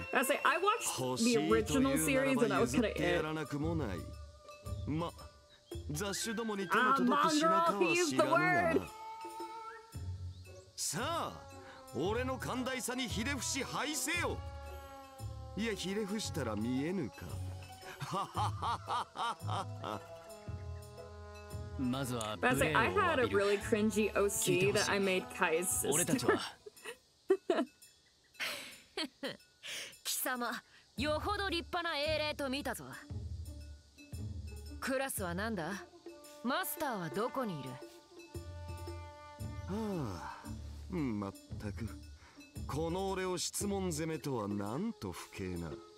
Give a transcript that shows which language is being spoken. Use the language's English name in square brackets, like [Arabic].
[English] I say, I watched the original series and I was kind of [Japanese] ま雑種どもに手の届く品かは知らぬがな。さあ、俺の寛大さにひれ伏し拝せよ。いや、ひれ伏したら見えぬか。まずは無礼を詫びる。 [English] I had a really cringy OC that I made Kai's sister. [Japanese] 俺たちは貴様、よほど立派な英霊と見たぞ。クラスはなんだ？マスターはどこにいる？はあ、まったく、この俺を質問攻めとはなんと不敬な。